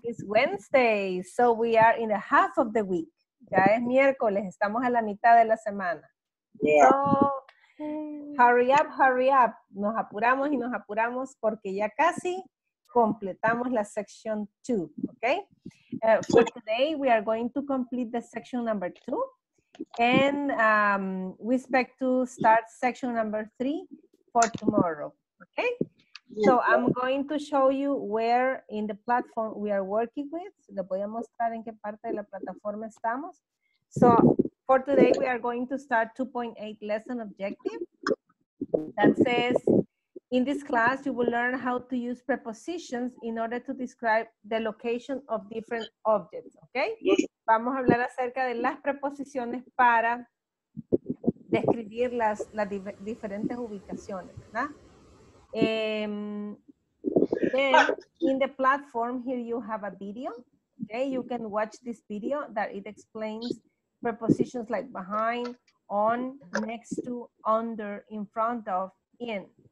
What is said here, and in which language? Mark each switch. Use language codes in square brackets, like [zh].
[en] It's Wednesday, so we are in the half of the week. [es] Ya es miércoles, estamos a la mitad de la semana. [en] Yeah. So, hurry up. [es] Nos apuramos porque ya casi completamos la section 2, okay? [en] For today, we are going to complete the section number 2. And we expect to start section number 3 for tomorrow, okay? Yes. So I'm going to show you where in the platform we are working with. [es] Le voy a mostrar en qué parte de la plataforma estamos. [en] So for today, we are going to start 2.8 lesson objective. That says, in this class, you will learn how to use prepositions in order to describe the location of different objects, okay? Yes. [es] Vamos a hablar acerca de las preposiciones para describir las diferentes ubicaciones, ¿verdad? [en] Then, in the platform, here you have a video. Okay, you can watch this video that it explains prepositions like behind, on, next to, under, in front of, in.